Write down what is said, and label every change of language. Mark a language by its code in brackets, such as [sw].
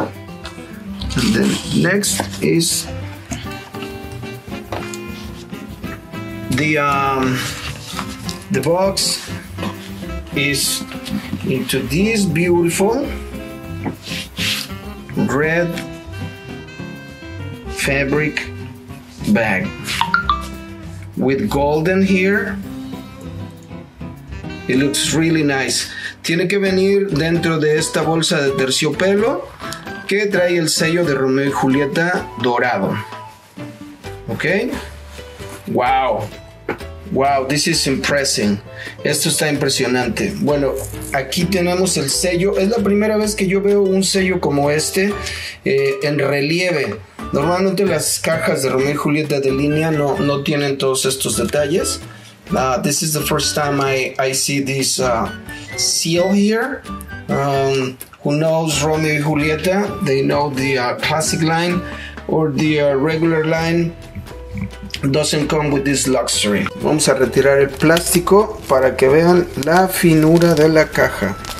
[en] And then next is the box is into this beautiful red fabric bag with golden here. It looks really nice. [es] Tiene que venir dentro de esta bolsa de terciopelo que trae el sello de Romeo y Julieta dorado. [en] Okay. Wow. Wow, this is impressive. [es] Esto está impresionante. Bueno, aquí tenemos el sello. Es la primera vez que yo veo un sello como este en relieve. Normalmente las cajas de Romeo y Julieta de línea no tienen todos estos detalles. [en] This is the first time I see this seal here. Who knows Romeo y Julieta? They know the classic line or the regular line. Doesn't come with this luxury. [es] Vamos a retirar el plástico para que vean la finura de la caja.